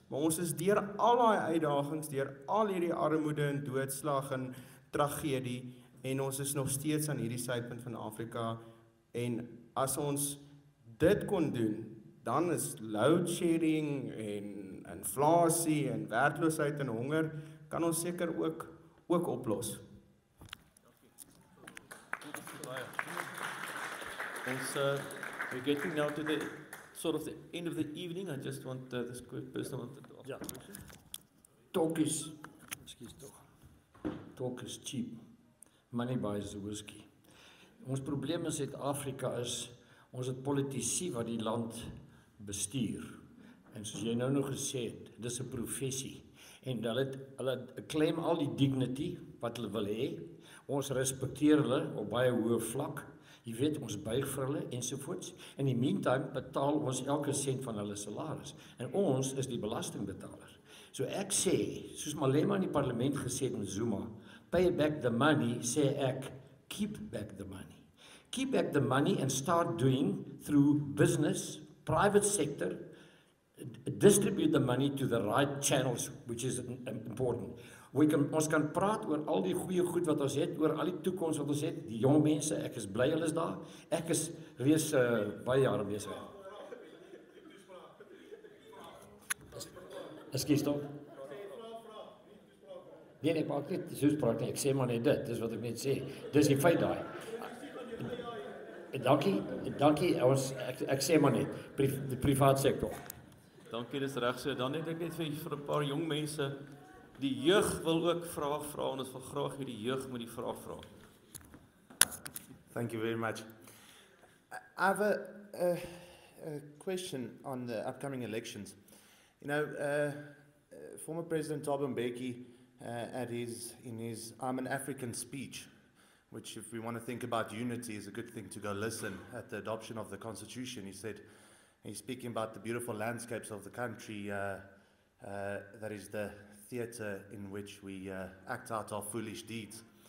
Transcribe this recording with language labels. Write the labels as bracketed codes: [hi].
[af] Maar ons is deur al daai uitdagings, deur al hierdie armoede en doodslag en tragedie en ons is nog steeds aan hierdie sypunt van Afrika en as ons dit kon doen, dan is load shedding en inflasie en werkloosheid en honger kan ons seker ook oplos. [en] And so we're getting now to the sort of the end of the evening. I just want this quick person wanted to ask a question. Talk is cheap. Money buys the whiskey. [af] Ons probleem in Suid-Afrika is ons het politici wat die land bestuur. En soos jy nou gesê het, dis 'n professie. En hulle claim al die dignity wat hulle wil hê. Ons respekteer hulle op baie hoë vlak. Jy weet, ons buig vir hulle ensovoorts. In die meantime betaal ons elke cent van hulle salaris. En ons is die belastingbetaler. So ek sê, soos Malema in die parlement gesê het met Zuma, [en] pay back the money, [af] sê ek, [en] keep back the money. Keep back the money and start doing through business, private sector, distribute the money to the right channels, which is important. [af] Ons kan praat oor al die goeie goed wat ons het, oor al die toekoms wat ons het, die jong mense, ek is bly hulle is daar, ek is reeds baie jare besig. [en] Excuse stop. [af] Nee, ek maak net toespraak nie, ek sê maar net dit, dis wat ek net sê, dis die feit daar. Dankie, ek sê maar net, die private sektor. Dankie, dis reg so, dan het ek net vir 'n paar jong mense, die jeug wil ook vraag vra, en ons wil graag hier die jeug met die vraag vra. [en] Thank you very much. I have a question on the upcoming elections. You know, former President Thabo Mbeki, in his I'm an African speech, which if we want to think about unity is a good thing to go listen at the adoption of the Constitution. He said, he's speaking about the beautiful landscapes of the country, that is the theater in which we act out our foolish deeds.